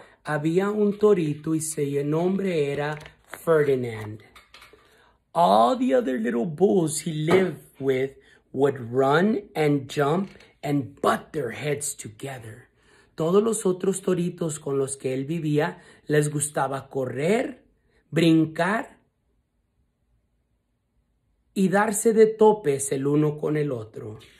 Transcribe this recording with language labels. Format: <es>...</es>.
<es>Había un torito y su nombre era Ferdinand.</es> <en>All the other little bulls he lived with would run and jump and butt their heads together.</en> <es>Todos los otros toritos con los que él vivía les gustaba correr, brincar y darse de topes el uno con el otro.</es>